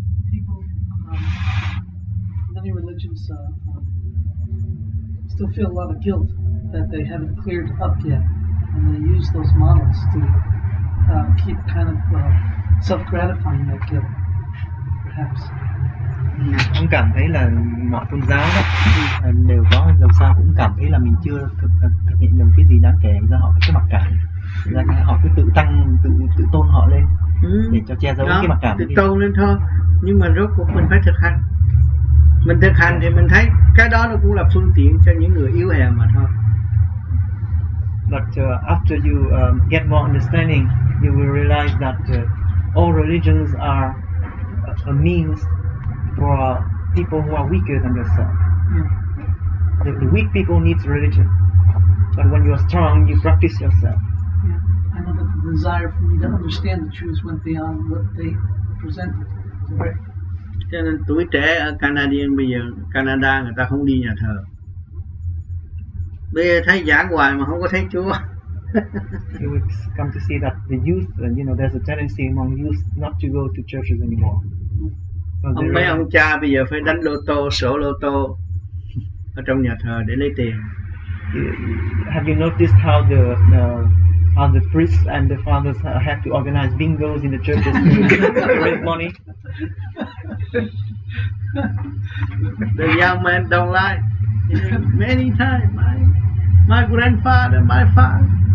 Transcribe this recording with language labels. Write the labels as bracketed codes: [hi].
[en] People, many religions still feel a lot of guilt that they haven't cleared up yet, and they use those models to keep kind of self-gratifying that guilt, perhaps. [vi] Cũng cảm thấy là mọi tôn giáo đó đều có dầu sao cũng cảm thấy là mình chưa thực hiện được cái gì đáng kể, ra họ cái mặc cảm, ra họ cứ tự tôn họ lên để cho che giấu đó, cái mặc cảm tự tôn lên thôi. Nhưng mà rốt cuộc mình phải thực hành, mình thực hành thì mình thấy cái đó nó cũng là phương tiện cho những người yếu hèn mà thôi. [en] But after you get more understanding, you will realize that all religions are a means for people who are weaker than yourself. Yeah. The weak people need religion. But when you are strong, you practice yourself. Yeah. I know that the desire for me to understand the truth went beyond what they presented. Right. [vi] Cho nên tuổi trẻ ở Canadian bây giờ, Canada người ta không đi nhà thờ. Bây giờ thấy giảng hoài mà không có thấy Chúa. [en] You would come to see that the youth, you know, there's a tendency among youth not to go to churches anymore. [vi] So ông mấy ông cha bây giờ phải đánh lô tô, sổ lô tô ở trong nhà thờ để lấy tiền. [en] Have you noticed how the priests and the fathers have to organize bingos in the churches to raise money? The young man don't lie. Many times, my grandfather, my father.